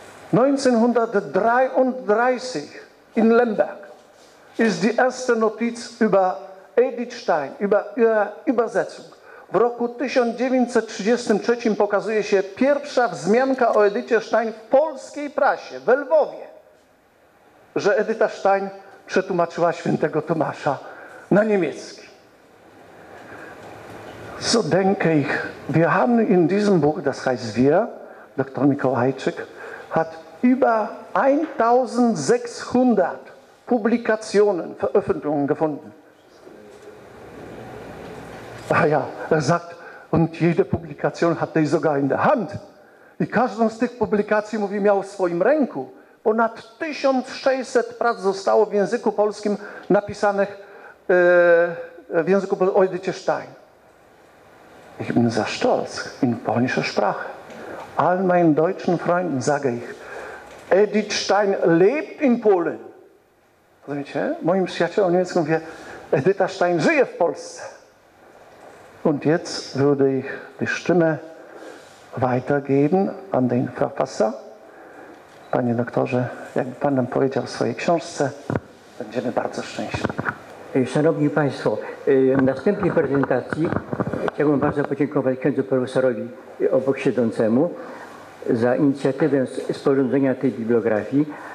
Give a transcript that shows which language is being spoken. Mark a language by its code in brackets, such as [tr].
[de] 1933 in Lemberg ist die erste Notiz über Edith Stein, über ihre Übersetzung. [pl] W roku 1933 pokazuje się pierwsza wzmianka o Edycie Stein w polskiej prasie, we Lwowie, że Edyta Stein przetłumaczyła świętego Tomasza na niemiecki. [de] So denke ich, wir haben in diesem Buch, das heißt wir, Dr. Mikołajczyk, hat über 1600 Publikationen, Veröffentlichungen gefunden. Ah ja, er sagt, und jede Publikation hatte ich sogar in der Hand. [pl] I każdą z tych publikacji, mówi, miał w swoim ręku. Ponad 1600 prac zostało w języku polskim napisanych w języku o Edycie Stein. [de] Ich bin sehr stolz in polnischer Sprache. All meinen deutschen Freunden sage ich, Edith Stein lebt in Polen. [pl] Rozumiecie? Moim przyjacielom niemieckim mówię, Edyta Stein żyje w Polsce. [de] Und jetzt würde ich die Stimme weitergeben an den Verfasser. [pl] Panie doktorze, jakby pan nam powiedział w swojej książce, będziemy bardzo szczęśliwi. Szanowni państwo, w następnej prezentacji chciałbym bardzo podziękować księdzu profesorowi obok siedzącemu za inicjatywę sporządzenia tej bibliografii.